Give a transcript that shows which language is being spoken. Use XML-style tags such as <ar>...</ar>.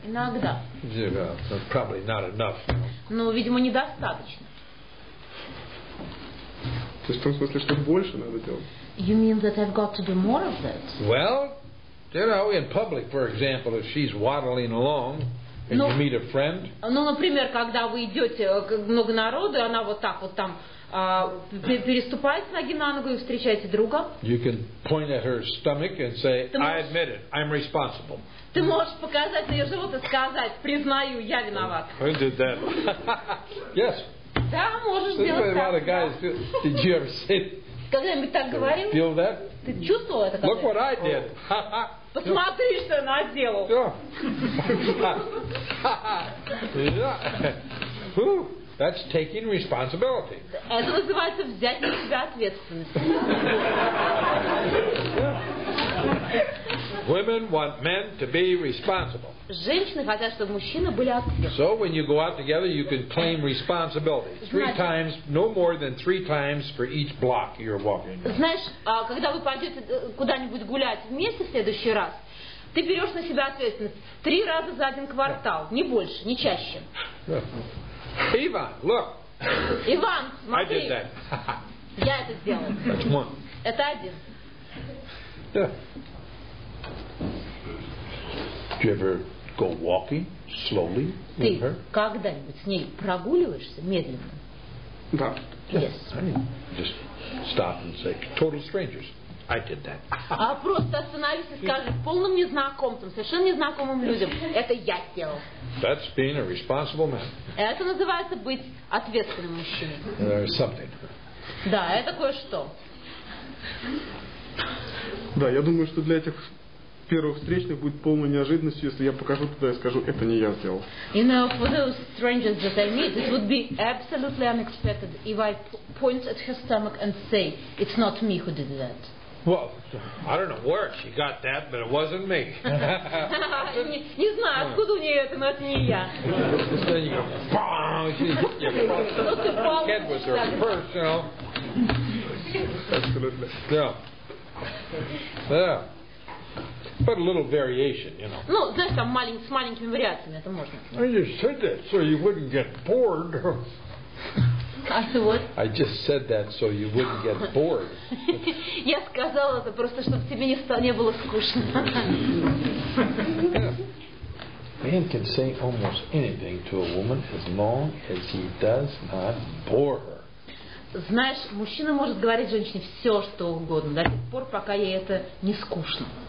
<ru>Иногда.</ru> <en>Yeah, well, probably not enough.</en> <ru>Ну, видимо, недостаточно. То есть в том смысле, что больше надо делать?</ru> <en>You mean that I've got to do more of that? Well, you know, in public, for example, if she's waddling along and you meet a friend.</en> <ru>Ну, например, когда вы идете много народу, и она вот так вот там переступает с ноги на ногу и встречаете друга.</ru> <en>You can point at her stomach and say, I admit it, I'm responsible.</en> <ru>Ты можешь показать на ее живот и сказать, признаю, я виноват.</ru> <en>Who did that? Yes.</en> <ru>Да, можешь сделать так.</ru> <en>A lot of guys do. Did you ever say?</en> <ru>Когда-нибудь так говорил?</ru> <en>Feel that?</en> <ru>Ты чувствовал это?</ru> <en>Look what I did.</en> <ru>Посмотри, что я наделал.</ru> <en>Yeah. That's taking responsibility.</en> <ru>Это называется взять на себя ответственность.</ru> <en>Women want men to be responsible.</en> <ru>Женщины хотят, чтобы мужчины были ответственны.</ru> <en>So when you go out together, you can claim responsibility. Three times, no more than three times for each block you're walking.</en> <ru>Знаешь, когда вы пойдете куда-нибудь гулять вместе в следующий раз, ты берешь на себя ответственность три раза за один квартал, не больше, не чаще.</ru> <en>Иван, look.</en> <ru>Иван, смотри.</ru> <en>I did that.</en> <ru>Я это сделал.</ru> <en>That's one.</en> <ru>Это один.</ru> <en>Do you ever go walking slowly with her?</en> <ru>Ты когда-нибудь с ней прогуливаешься медленно? Да.</ru> <en>Yes. I mean, just stop and say, total strangers, I did that.</en> <ru>А просто остановись и скажи полным незнакомцам, совершенно незнакомым людям, это я сделал.</ru> <en>That's being a responsible man.</en> <ru>Это называется быть ответственным мужчиной.</ru> <en>There's something.</en> <ru>Да, это кое-что. Да, я думаю, что для этих первых встречных будет полной неожиданностью, если я покажу туда и скажу, это не я сделал.</ru> <en>You know, for those strangers that I meet, it would be absolutely unexpected if I point at her stomach and say, it's not me who did that. Well, I don't know where she got that, but it wasn't me.</en> <ru>Не знаю, откуда у нее это, но это не я.</ru> <en>Then you go, bang! Head was her purse, you know. Absolutely. Yeah. Yeah. But a little variation, you know.</en> <ru>Ну, знаешь, там с маленькими вариациями это можно.</ru> <en>I just said that so you wouldn't get bored. I said what? I just said that so you wouldn't get bored.</en> <ru>Я сказал это просто, чтобы тебе не было скучно.</ru> <en>Man can say almost anything to a woman as long as he does not bore her.</en> <ru>Знаешь, мужчина может говорить женщине все, что угодно, до тех пор, пока ей это не скучно.</ru>